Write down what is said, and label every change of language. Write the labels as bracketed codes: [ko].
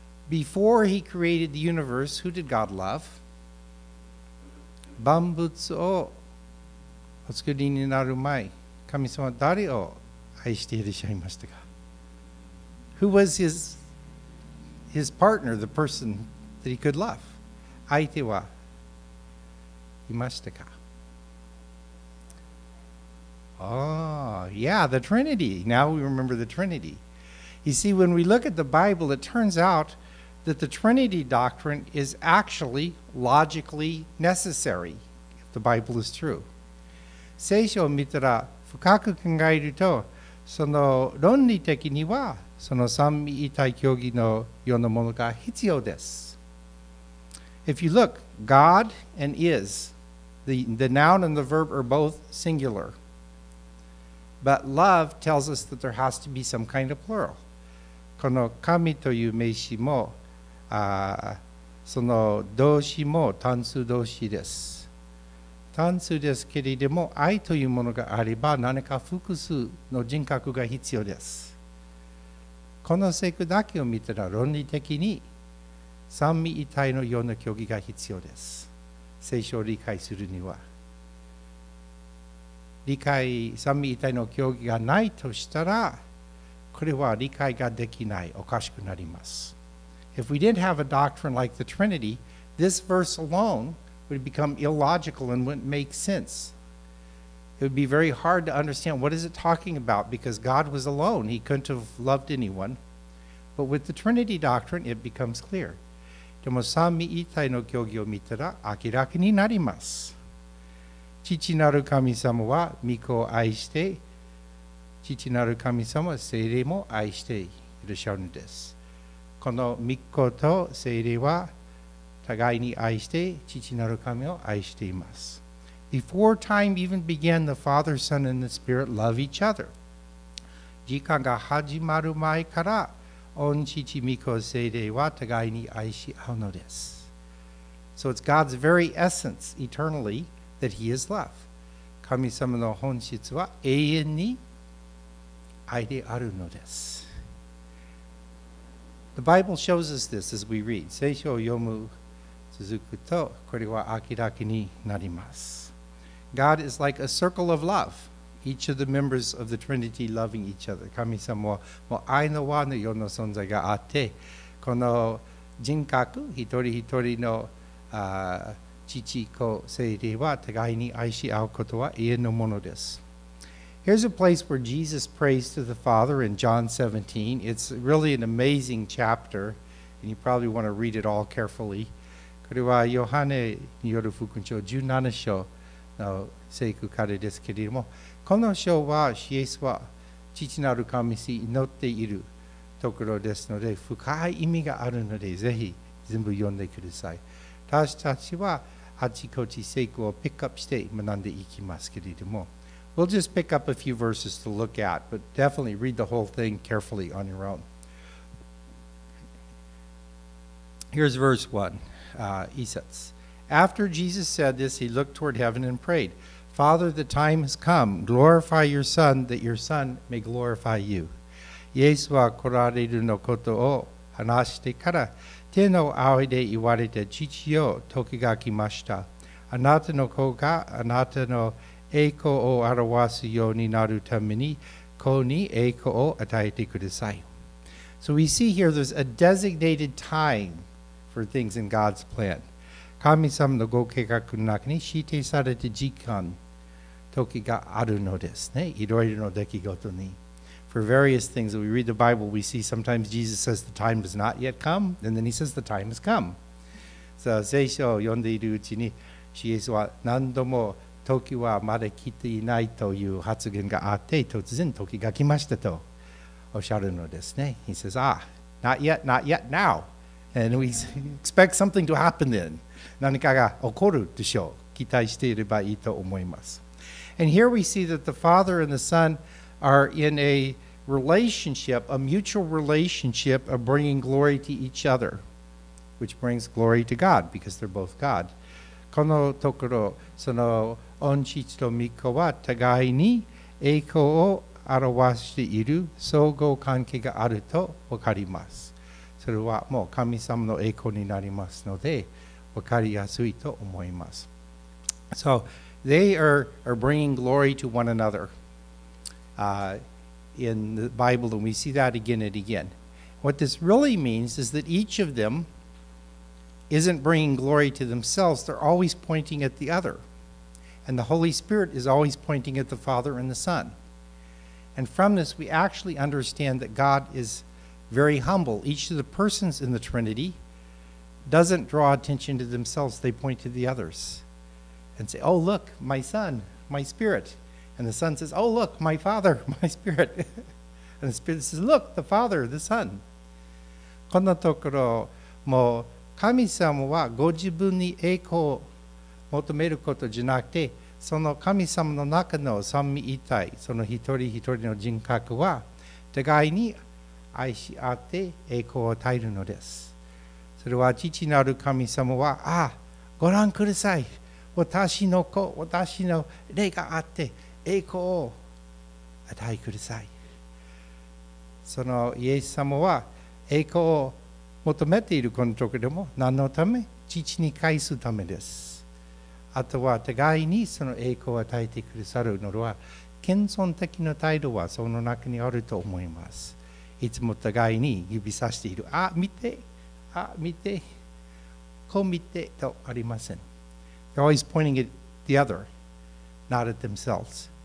[en] Before He created the universe, who did God love? [ja] 万物をお作りになる前、神様は誰を愛していらっしゃいましたか? [en] Who was his partner, the person that he could love? [ja] 相手はいましたか? [en] Oh, yeah, the Trinity. Now we remember the Trinity. You see, when we look at the Bible, it turns out that the Trinity doctrine is actually logically necessary, if the Bible is true. [ja] 聖書を見たら深く考えると、その論理的にはその三位一体教義のようなものが必要です。 [en] If you look, God and is, the noun and the verb are both singular. But love tells us that there has to be some kind of plural. [ja] この神という名詞も、その動詞も単数動詞です。単数ですけれども、愛というものがあれば、何か複数の人格が必要です。この聖句だけを見たら、論理的に三位一体のような教義が必要です。聖書を理解するには。理解、三位一体の教義がないとしたら、これは理解ができない、おかしくなります。 [en] If we didn't have a doctrine like the Trinity, this verse alone would become illogical and wouldn't make sense. It would be very hard to understand what is it talking about because God was alone. He couldn't have loved anyone. But with the Trinity doctrine, it becomes clear. [ja] でも三位一体の教義を見たら明らかになります。父なる神様は御子を愛して、父なる神様は聖霊も愛していらっしゃるのです。この御子と聖霊は互いに愛して父なる神を愛しています。 [en] Before time even began, the Father, Son, and the Spirit love each other. [ja] 時間が始まる前から、御父、御子、聖霊は互いに愛し合うのです。 [en] So it's God's very essence, eternally, that He is love. [ja] 神様の本質は永遠に愛であるのです。 [en] The Bible shows us this as we read. [ja] 聖書を読む続くとこれは明らかになります。 [en] God is like a circle of love. Each of the members of the Trinity loving each other. [ja] 神様はもう愛の輪のような存在があって、この人格、一人一人の父子聖霊は互いに愛し合うことは永遠のものです。 [en] Here's a place where Jesus prays to the Father in John 17. It's really an amazing chapter, and you probably want to read it all carefully. [ja] これはヨハネによる福音書17章の聖句からですけれども、この章はイエスは父なる神に祈っているところですので、深い意味があるので、ぜひ全部読んでください。私たちはあちこち聖句をピックアップして学んでいきますけれども、 [en] We'll just pick up a few verses to look at, but definitely read the whole thing carefully on your own. Here's verse 1, Isats. After Jesus said this, he looked toward heaven and prayed, Father, the time has come. Glorify your Son, that your Son may glorify you. [ja] イエスは来られるのことを話してから、天の仰いで言われて、父よ、時が来ました。あなたの子が、あなたの栄光を表すようになるために子に栄光を与えてください。 [en] So we see here there's a designated time for things in God's plan. [ja] 神様のご計画の中に指定された時間、時があるのですね。いろいろの出来事に。 [en] For various things that we read the Bible, we see sometimes Jesus says the time has not yet come, and then he says the time has come. [ja] So 聖書を読んでいるうちに、イエスは何度も時はまだ来ていないという発言があって、突然時が来ましたとおっしゃるのですね。 [en] He says, not yet, now. And we expect something to happen then. [ja] 何かが起こるでしょう。期待していればいいと思います。 [en] And here we see that the Father and the Son are in a relationship, a mutual relationship of bringing glory to each other, which brings glory to God because they're both God. [ja] このところ、その恩父と御子は互いに栄光を表している相互関係があると分かります。それはもう神様の栄光になりますので、分かりやすいと思います。 [en] So they are bringing glory to one another. In the Bible, and we see that again and again. What this really means is that each of them isn't bringing glory to themselves. They're always pointing at the other. And the Holy Spirit is always pointing at the Father and the Son. And from this, we actually understand that God is very humble. Each of the persons in the Trinity doesn't draw attention to themselves. They point to the others and say, oh, look, my Son, my Spirit. And the Son says, oh, look, my Father, my Spirit. And the Spirit says, look, the Father, the Son. [ja] このところも神様はご自分に栄光を求めることじゃなくて、その神様の中の三位一体、その一人一人の人格は、互いに愛し合って栄光を与えるのです。それは父なる神様は、ああ、ご覧ください。私の子、私の霊があって、栄光を与えください。そのイエス様は栄光を求めているこのところでも何のため？父に返すためです。あとは互いにその栄光を与えてくださるのは謙遜的な態度はその中にあると思います。いつも互いに指さしている。あ、見て、あ、見て、こう見てとありません。 [en] They're always pointing at the other, not at themselves.